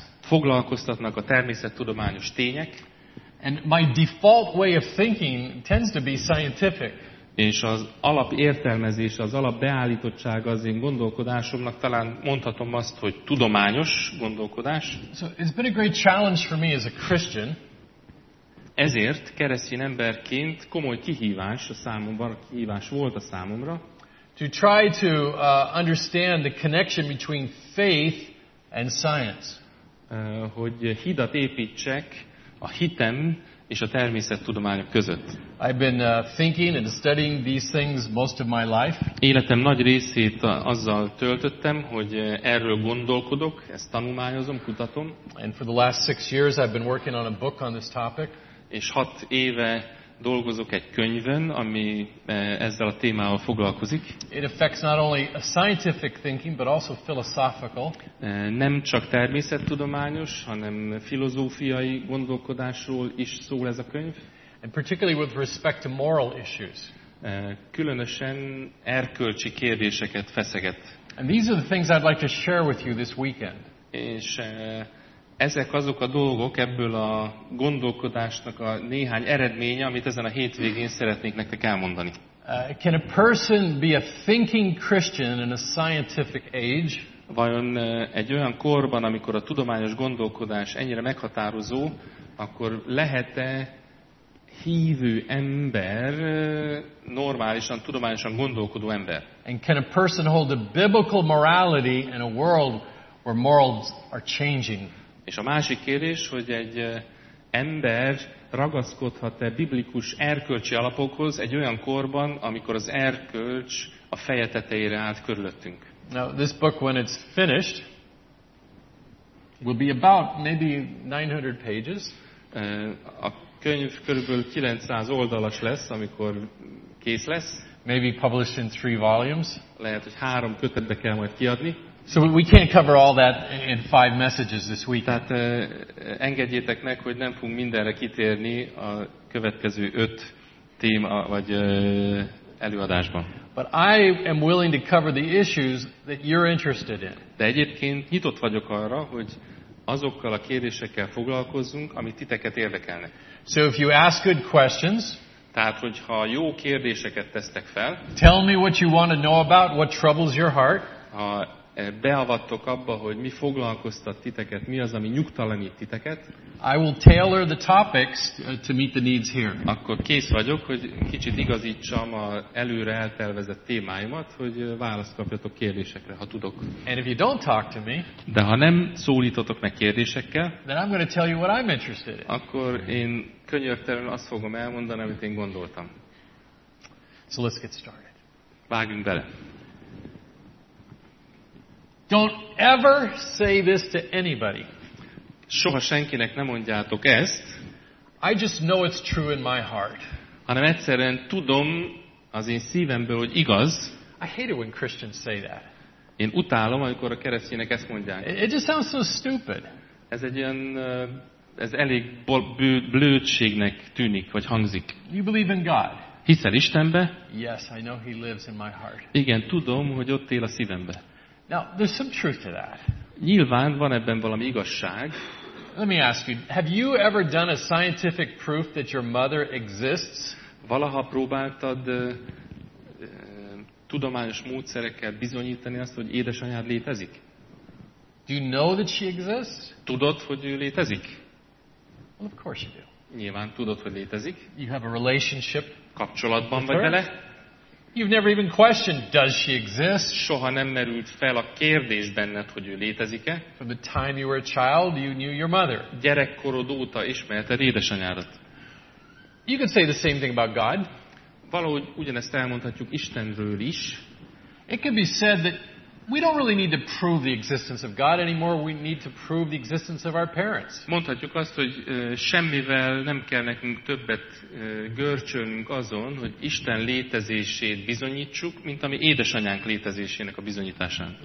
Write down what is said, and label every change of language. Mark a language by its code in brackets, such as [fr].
[hu] Foglalkoztatnak a természettudományos tények. [en] And my default way of thinking tends to be scientific. [hu] És az alapértelmezés, az alapbeállítottság az én gondolkodásomnak talán mondhatom azt, hogy tudományos gondolkodás. [en] So it's been a great challenge for me as a Christian. [hu] Ezért keresztény emberként komoly kihívás a számomra, kihívás volt a számomra. [en] To try to understand the connection between faith and science. [hu] Hogy hidat építsek a hitem és a természettudományok között. [en] I've been thinking and studying these things most of my life. [hu] Életem nagy részét azzal töltöttem, hogy erről gondolkodok, ezt tanulmányozom, kutatom. [en] And for the last 6 years I've been working on a book on this topic. [hu] És 6 éve dolgozok egy könyvön, ami ezzel a témával foglalkozik. [en] It affects not only a scientific thinking, but also philosophical. [hu] Nem csak természettudományos, hanem filozófiai gondolkodásról is szól ez a könyv. [en] And particularly with respect to moral issues. [hu] Különösen erkölcsi kérdéseket feszeget. [en] And these are the things I'd like to share with you this weekend. [hu] És ezek azok a dolgok ebből a gondolkodásnak a néhány eredménye, amit ezen a hétvégén szeretnék nektek elmondani. [en] Can a person be a thinking Christian in a scientific age? [hu] Vajon egy olyan korban, amikor a tudományos gondolkodás ennyire meghatározó, akkor lehet-e hívő ember normálisan, tudományosan gondolkodó ember? [en] And can a person hold a biblical morality in a world where morals are changing? [hu] És a másik kérdés, hogy egy ember ragaszkodhat-e biblikus erkölcsi alapokhoz egy olyan korban, amikor az erkölcs a feje tetejére állt körülöttünk. [en] Now this book, when it's finished, will be about maybe 900 pages. [hu] A könyv körülbelül 900 oldalas lesz, amikor kész lesz. [en] Maybe published in 3 volumes. [hu] Lehet, hogy 3 kötetbe kell majd kiadni. [en] So we can't cover all that in 5 messages this week. [hu] Tehát engedjétek meg, hogy nem fogunk mindenre kitérni a következő 5 téma vagy előadásban. [en] But I am willing to cover the issues that you're interested in. [hu] De egyébként nyitott vagyok arra, hogy azokkal a kérdésekkel foglalkozzunk, amit titeket érdekelnek. [en] So if you ask good questions, [hu] tehát hogyha jó kérdéseket tesztek fel, [en] tell me what you want to know about, what troubles your heart. [hu] Beavattok abba, hogy mi foglalkoztat titeket, mi az, ami nyugtalanít titeket. [en] I will tailor the topics to meet the needs here. [hu] Akkor kész vagyok, hogy kicsit igazítsam a előre eltervezett témáimat, hogy választ kapjatok kérdésekre, ha tudok. [en] And if you don't talk to me, [hu] de ha nem szólítotok meg kérdésekkel, [en] then I'm going to tell you what I'm interested in. [hu] Akkor én könnyörtelen azt fogom elmondani, amit én gondoltam. [en] So let's get started. [hu] Vágjunk bele. [en] Don't ever say this to anybody. [hu] Soha senkinek nem mondjátok ezt. [en] I just know it's true in my heart. [hu] Hanem egyszerűen tudom az én szívemből, hogy igaz. [en] I hate it when Christians say that. [hu] Én utálom, amikor a keresztények ezt mondják. [en] It just sounds so stupid. [hu] Ez egy ilyen, ez elég blödségnek tűnik, vagy hangzik. [en] You believe in God. [hu] Hiszel Istenbe? [en] Yes, I know he lives in my heart. [hu] Igen, tudom, hogy ott él a szívembe. [en] Now, there's some truth to that. [hu] Nyilván van ebben valami igazság. [en] Let me ask you, have you ever done a scientific proof that your mother exists? [hu] Valaha próbáltad tudományos módszerekkel bizonyítani azt, hogy édesanyád létezik? [en] Do you know that she exists? [hu] Tudod, hogy ő létezik? [en] Well, of course you do. [hu] Nyilván tudod, hogy létezik. [en] You have a relationship. [hu] Kapcsolatban vagy vele? [en] You've never even questioned, does she exist? [hu] Soha nem merült fel a kérdés benned, hogy ő létezik-e? [en] From the time you were a child, you knew your mother. [hu] Gyerekkorod óta ismerted édesanyádat. [en] You could say the same thing about God. [hu] Valahogy ugyanezt elmondhatjuk Istenről is. [en] It could be said that we don't really need to prove the existence of God anymore. We need to prove the existence of our parents. [hu] Mondhatjuk azt, hogy semmivel nem kell nekünk többet görcsölnünk azon, hogy Isten létezését bizonyítsuk, mint ami édesanyánk létezésének a bizonyításán.